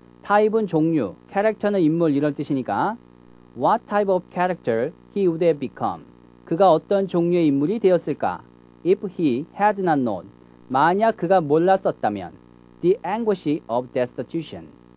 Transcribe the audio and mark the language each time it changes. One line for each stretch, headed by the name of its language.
Korean: type은 종류, character는 인물 이런 뜻이니까
English: What type of character he would have become?
Korean: 그가 어떤 종류의 인물이 되었을까?
English: If he had not known,
Korean: 만약 그가 몰랐었다면
English: The anguish of destitution.